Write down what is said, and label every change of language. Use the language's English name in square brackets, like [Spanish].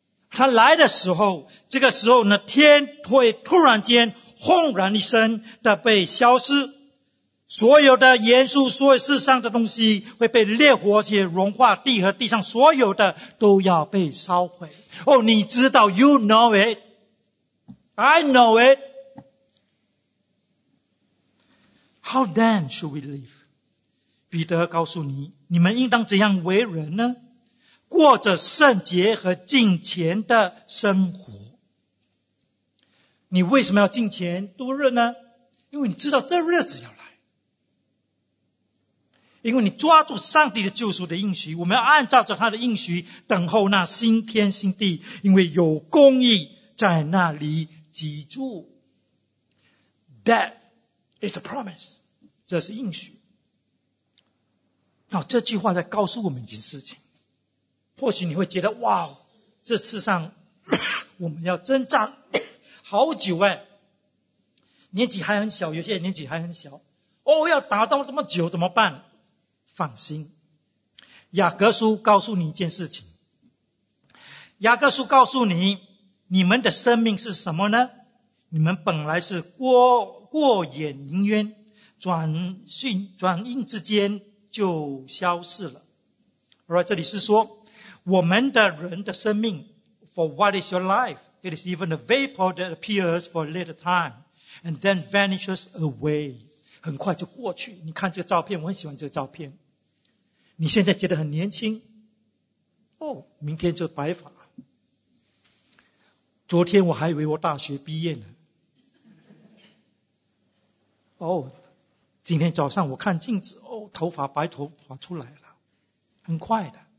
[Chinese] 他来的时候，这个时候呢，天会突然间轰然一声的被消失，所有的严肃所有世上的东西会被烈火且融化，地和地上所有的都要被烧毁。 [English] 哦， [Chinese] 你知道 [English] ，You know it， I know it。 How then should we live？ [Chinese] 彼得告诉你，你们应当怎样为人呢？过着圣洁和敬虔的生活。你为什么要敬虔度日呢？因为你知道这日子要来，因为你抓住上帝的救赎的应许，我们要按照着他的应许等候那新天新地，因为有公义在那里居住。 [English] That is a promise， [Chinese] 这是应许。那这句话在告诉我们一件事情，或许你会觉得，哇，这世上我们要征战好久，哎，年纪还很小，有些年纪还很小，哦，要打到这么久怎么办？放心，雅各书告诉你一件事情，雅各书告诉你，你们的生命是什么呢？你们本来是过眼云烟，转瞬之间就消逝了。而这里是说我们的人的生命 [English] For what is your life? It is even a vapor that appears for a little time and then vanishes away. [Chinese] 很快就过去。你看这个照片，我很喜欢这个照片。你现在觉得很年轻，哦，明天就白发。昨天我还以为我大学毕业呢。哦，今天早上我看镜子，哦，头发白头发出来了，很快的。